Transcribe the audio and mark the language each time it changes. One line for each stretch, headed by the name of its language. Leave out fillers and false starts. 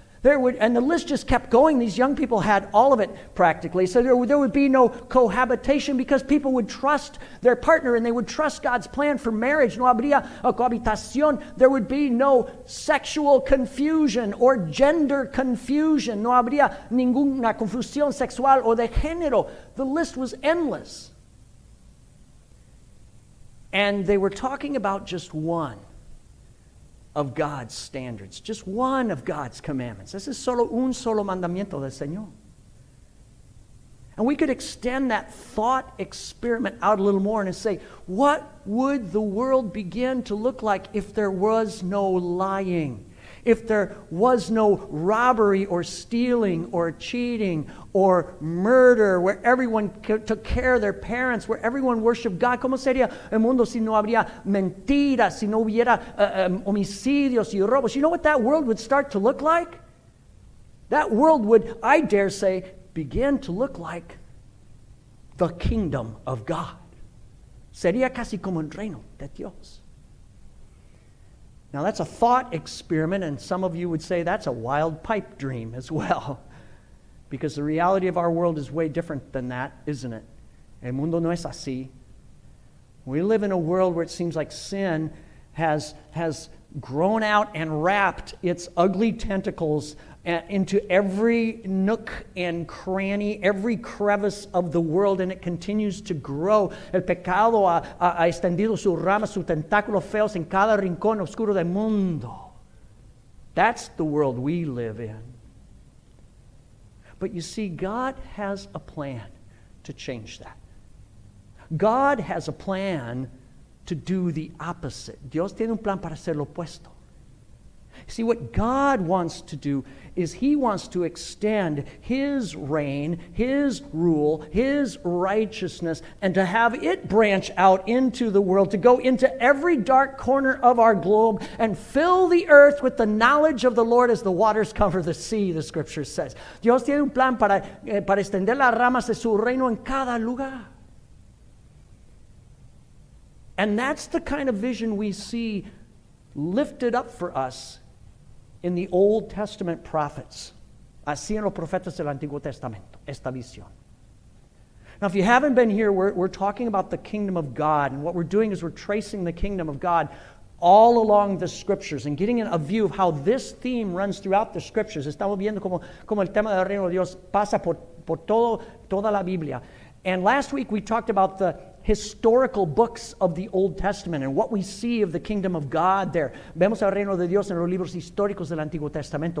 English: And the list just kept going. These young people had all of it practically. So there would be no cohabitation because people would trust their partner and they would trust God's plan for marriage.
Spanish: No habría cohabitación.
English: There would be no sexual confusion or gender confusion.
Spanish: No habría ninguna confusión sexual o de género.
English: The list was endless. And they were talking about just one of God's standards, just one of God's commandments. This is
Spanish: solo un solo mandamiento del Señor.
English: And we could extend that thought experiment out a little more and say, what would the world begin to look like if there was no lying, if there was no robbery or stealing or cheating or murder, where everyone took care of their parents, where everyone worshiped God?
Spanish: ¿Cómo sería el mundo si no habría mentiras, si no hubiera homicidios y robos?
English: You know what that world would start to look like? That world would, I dare say, begin to look like the kingdom of God.
Spanish: Sería casi como el reino de Dios.
English: Now that's a thought experiment, and some of you would say that's a wild pipe dream as well. Because the reality of our world is way different than that, isn't it?
Spanish: El mundo no es así.
English: We live in a world where it seems like sin has grown out and wrapped its ugly tentacles into every nook and cranny, every crevice of the world, and it continues to grow.
Spanish: El pecado ha extendido sus ramas, sus tentáculos feos en cada rincón oscuro del mundo.
English: That's the world we live in. But you see, God has a plan to change that. God has a plan to do the opposite.
Spanish: Dios tiene un plan para hacer lo opuesto.
English: See, what God wants to do is he wants to extend his reign, his rule, his righteousness, and to have it branch out into the world, to go into every dark corner of our globe and fill the earth with the knowledge of the Lord as the waters cover the sea, the scripture says.
Spanish: Dios tiene un plan para extender las ramas de su reino en cada lugar.
English: And that's the kind of vision we see lifted up for us in the Old Testament prophets.
Spanish: Así en los profetas del Antiguo Testamento, esta visión.
English: Now, if you haven't been here, we're talking about the kingdom of God, and what we're doing is we're tracing the kingdom of God all along the scriptures and getting a view of how this theme runs throughout the scriptures.
Spanish: Estamos viendo como el tema del reino de Dios pasa por toda la Biblia.
English: And last week, we talked about the historical books of the Old Testament and what we see of the kingdom of God there.
Spanish: Vemos el reino de Dios en los libros históricos del Antiguo Testamento.